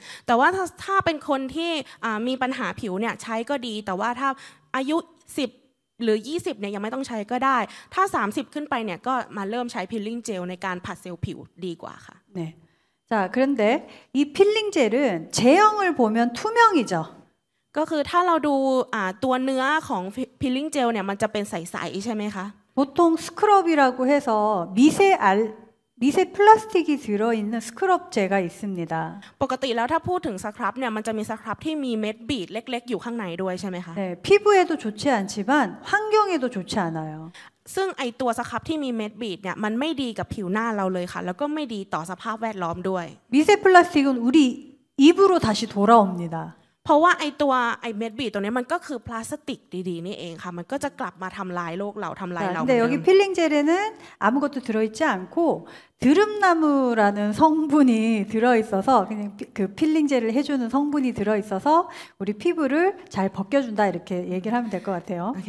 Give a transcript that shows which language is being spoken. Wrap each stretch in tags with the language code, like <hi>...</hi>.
<th>แต่ว่าถ้าเป็นคนที่มีปัญหาผิวเนี่ยใช้ก็ดีแต่ว่าถ้าอายุ10หรือ20เนี่ยยังไม่ต้องใช้ก็ได้ถ้า30ขึ้นไปเนี่ยก็มาเริ่มใช้พิลลิ่งเจลในการผัดเซลล์ผิวดีกว่าค่ะ</th> <ko>นี่자그런데이필링젤은제형을보면투명이죠</ko> <th>ก็คือถ้าเราดูตัวเนื้อของพิลลิ่งเจลเนี่ยมันจะเป็นใสๆใช่มั้ยคะ</th> <ko>보통스크럽이라고해서미세알미세플라스틱이들어있는스크럽제가있습니다</ko> <th>ปกติแล้วถ้าพูดถึงสครับเนี่ยมันจะมีสครับที่มีเม็ดบีดเล็กๆอยู่ข้างในด้วยใช่ไหมคะ</th> <ko>네피부에도좋지않지만환경에도좋지않아요</ko> <th>ซึ่งไอตัวสครับที่มีเม็ดบีดเนี่ยมันไม่ดีกับผิวหน้าเราเลยค่ะแล้วก็ไม่ดีต่อสภาพแวดล้อมด้วย</th> <ko>미세플라스틱은우리입으로다시돌아옵니다</ko> <th>เพราะว่าไอตัวไอเม็ดบีดตัวนี้มันก็คือพลาสติกดีๆนี่เองค่ะมันก็จะกลับมาทำลายโลกเราทำลายเรา แต่</th> <ko>여기필링젤에는아무것도들어있지않고드름나무라는성분이들어있어서그냥그필링젤을해주는성분이들어있어서우리피부를잘벗겨준다이렇게얘기를하면될것같아요</ko>